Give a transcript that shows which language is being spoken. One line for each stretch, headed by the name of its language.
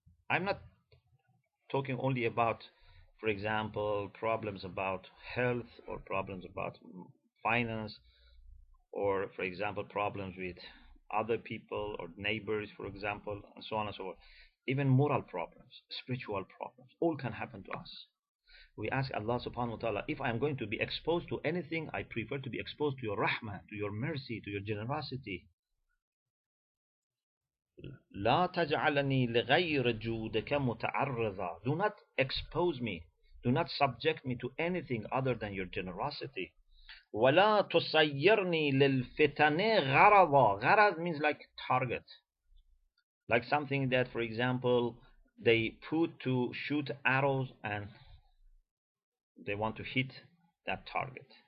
English: I'm not talking only about, for example, problems about health or problems about finance, or for example, problems with other people or neighbors, for example, and so on and so forth. Even moral problems, spiritual problems, all can happen to us. We ask Allah subhanahu wa ta'ala, if I am going to be exposed to anything, I prefer to be exposed to your rahmah, to your mercy, to your generosity.
Arabic: لا تجعلني لغير جودك متعرضا.
English: Do not expose me, do not subject me to anything other than your generosity.
Arabic: ولا تسيرني للفتن غرضا.
English: غرض means like target, like something that, for example, they put to shoot arrows and they want to hit that target.